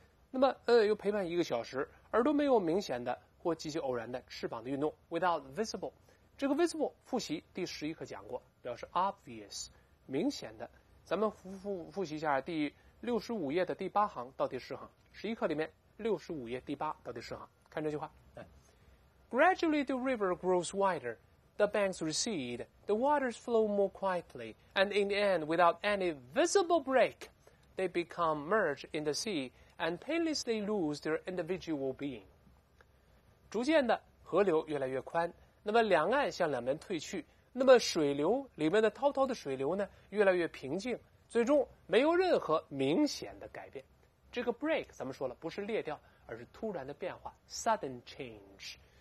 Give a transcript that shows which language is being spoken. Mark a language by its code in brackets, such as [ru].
[zh] 那么又陪伴一个小时，而都没有明显的或极其偶然的翅膀的运动， [en] without visible， [zh] 这个 visible 复习第十一课讲过，表示 obvious 明显的。咱们复习一下第65页的第八行到第十行，十一课里面65页第八到第十行，看这句话。 [en] Gradually the river grows wider, the banks recede, the waters flow more quietly, and in the end, without any visible break, they become merged in the sea and painlessly lose their individual being. [zh] 逐渐的河流越来越宽，那么两岸向两边退去，那么水流里面的滔滔的水流呢越来越平静，最终没有任何明显的改变。这个 break 咱们说了不是裂掉，而是突然的变化， [en] sudden change。